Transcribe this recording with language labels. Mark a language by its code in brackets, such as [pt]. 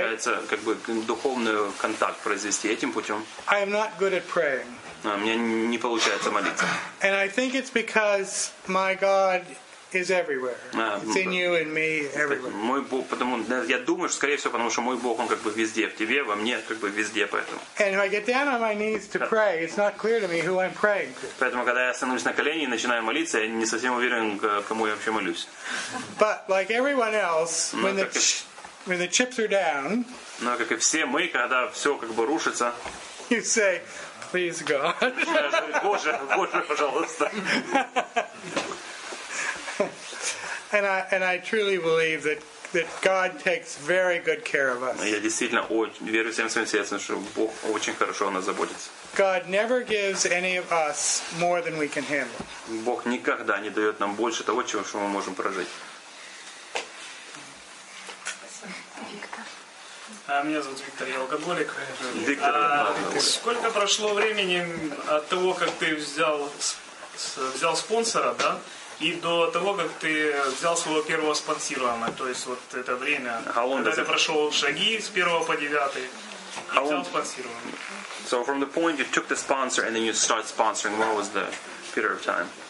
[ru] Мне получается как бы духовный контакт произвести этим путем. [en] I am not good at praying. [ru] Мне не получается молиться. [en] And I think it's because my God... is everywhere. It's in you and me everywhere. [ru] Мой Бог, потому я думаю, что скорее всего, потому что мой Бог, он как бы везде, в тебе, во мне, как бы везде, поэтому. [en] And when I get down on my knees to pray, it's not clear to me who I'm praying to. [ru] Поэтому когда я становлюсь на колени и начинаю молиться, я не совсем уверен, кому я вообще молюсь. [en] But like everyone else, when the chips are down, [ru] но как и все мы, когда все как бы рушится, [en] you say, please God. [ru] Боже, пожалуйста. [en] And I truly believe that that God takes very good care of us. [ru] Я действительно верю всем своим сердцем, что Бог очень хорошо о нас заботится. [en] God never gives any of us more than we can handle. [ru] Бог никогда не дает нам больше того, чего мы можем прожить. Меня зовут Виктор, я алкоголик. Виктор, сколько прошло времени от того, как ты взял спонсора, да, и до того, как ты взял своего первого спонсируемого, то есть вот это время, когда ты прошел шаги с первого по девятый и взял спонсируемого? [en] So from the point you took the sponsor and then you start sponsoring, what was the period of time?